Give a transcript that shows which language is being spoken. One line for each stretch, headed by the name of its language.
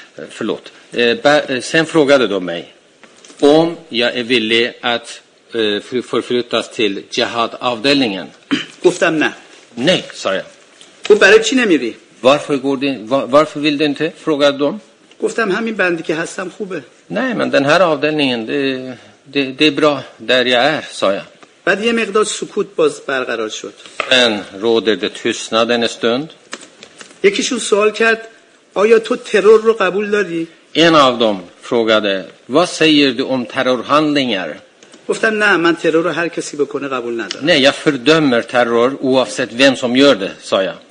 Swedish: Förlåt. Sen frågade de mig om jag är villig att förflyttas till jihadavdelningen. Nej, sa jag. Varför vill du inte? Frågade de.
Persian: گفتم همین بندی که هستم خوبه.
Swedish: Nej, men den här avdelningen, det är bra där jag är, sa jag.
Persian: بعد یه مقدار سکوت باز برقرار شد.
Swedish: Sen råder det tystnad en stund.
Persian: یکیشون سوال کرد آیا تو ترور رو قبول داری؟
Swedish: En av dem frågade, vad säger du om terrorhandlingar?
Persian: گفتم نه من ترور رو هر کسی بکنه قبول ندارم.
Swedish: Nej, jag fördömer terror oavsett vem som gör det, sa jag.